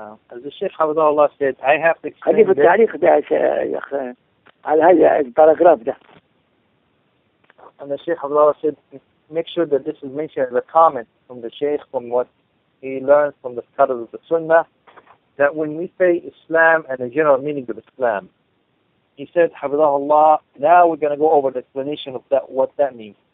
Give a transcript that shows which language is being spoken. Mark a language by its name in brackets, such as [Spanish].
[English] as the Sheikh [Arabic] حفظه الله [English] said I have to explain [Arabic] خليه في التعليق ده يا أخي على هذا الباراجراف ده [English] and the Sheikh [Arabic] حفظه الله [English] said make sure that this is mentioned as a comment from the Sheikh from what he learned from the scholars of the Sunnah that when we say Islam and the general meaning of Islam, he said, حفظه الله, now we're going to go over the explanation of that, what that means.